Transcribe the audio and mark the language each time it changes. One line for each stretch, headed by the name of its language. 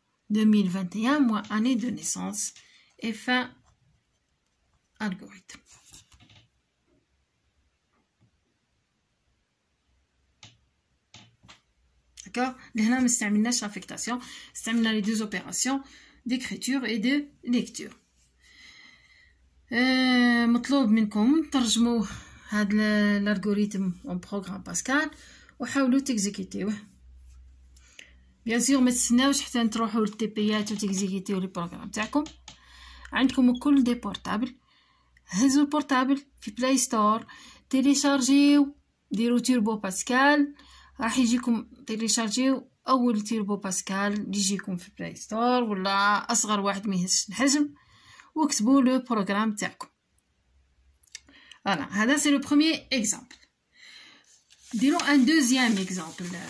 French: 2021, moi, année de naissance et fin algorithme. D'accord? Là, je termine l'affectation. Je termine les deux opérations d'écriture et de lecture. Je vous demande de
Arabic: هاد الالغوريتم اون بروغرام باسكال وحاولوا تيكزيكيتيوه بيان سيغ ما تستناوش حتى تروحوا للتي بيات وتيكزيكيتيو لي بروغرام تاعكم عندكم كل دي بورتابل هزوا البورتابل في بلاي ستور تيليشارجيو ديرو تيربو باسكال راح يجيكم تيليشارجيو اول تيربو باسكال اللي يجيكم في بلاي ستور ولا اصغر واحد ميهزش الحجم واكتبوا لو بروغرام تاعكم.
French: Voilà, ça c'est le premier exemple. Dirons un deuxième exemple.